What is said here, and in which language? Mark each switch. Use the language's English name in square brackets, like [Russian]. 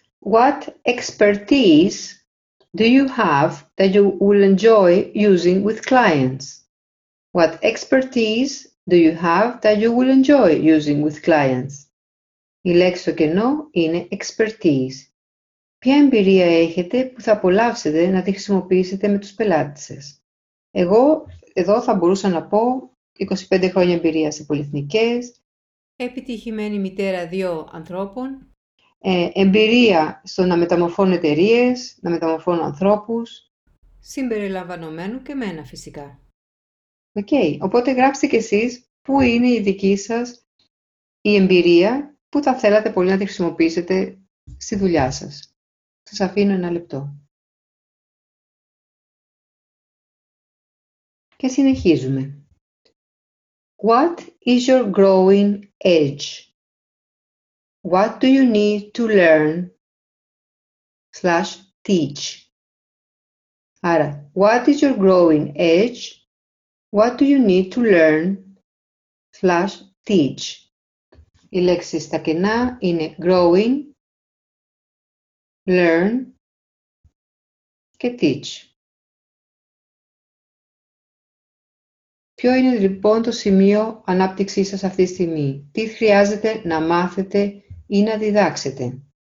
[English] What expertise do you have that you will enjoy using with clients? What expertise do you have that you will enjoy using with clients? [Greek] Η λέξη στο κενό είναι expertise. Ποια εμπειρία έχετε που θα απολαύσετε να τη χρησιμοποιήσετε με τους πελάτες σας? Εγώ εδώ θα μπορούσα να πω 25 χρόνια εμπειρία σε πολυεθνικές, επιτυχημένη μητέρα δύο ανθρώπων. Εμπειρία στο να μεταμορφώνω εταιρείες, να μεταμορφώνω ανθρώπους. Συμπεριλαμβανομένου και μένα φυσικά. Okay. Οπότε γράψτε κι εσείς πού είναι η δική σας η εμπειρία που θα θέλατε πολύ να τη χρησιμοποιήσετε στη δουλειά σας. Σας αφήνω ένα λεπτό. Και συνεχίζουμε. [English] What is your growing edge? What do you need to learn slash teach? Άρα, what is your growing edge? What do you need to learn slash teach? [Greek] Οι λέξεις στα κενά είναι growing, learn και teach. Ποιο είναι λοιπόν το σημείο ανάπτυξής σας αυτή τη στιγμή? Τι χρειάζεται να μάθετε ή να διδάξετε?